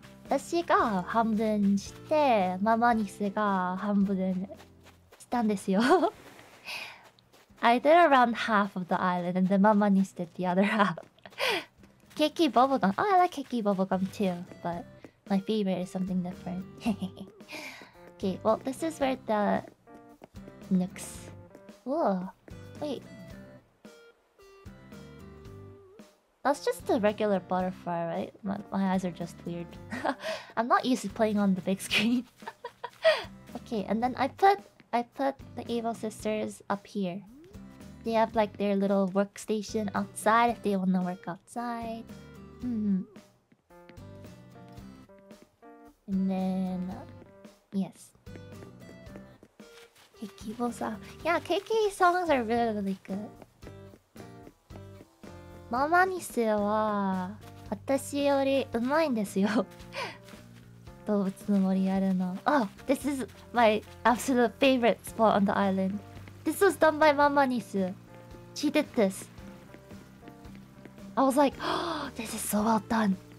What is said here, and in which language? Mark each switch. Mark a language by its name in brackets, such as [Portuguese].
[Japanese] 私が半分して、ママニスが半分したんですよ。 [English] I did around half of the island and then ママニス did the other half. Cakey bubblegum. Oh, I like cakey bubblegum too, but my favorite is something different. Okay, well, this is where the nooks. Whoa, wait. That's just a regular butterfly, right? My eyes are just weird. I'm not used to playing on the big screen. Okay, and then I put the Evil Sisters up here. They have like their little workstation outside if they want to work outside. And then... yes. KK songs. Yeah, KK songs are really, really good. [Japanese] ママニスは私より上手いんですよ。動物の森やるの。 [English] Oh, this is my absolute favorite spot on the island. This was done by ママニス.She did this. I was like, oh, this is so well done.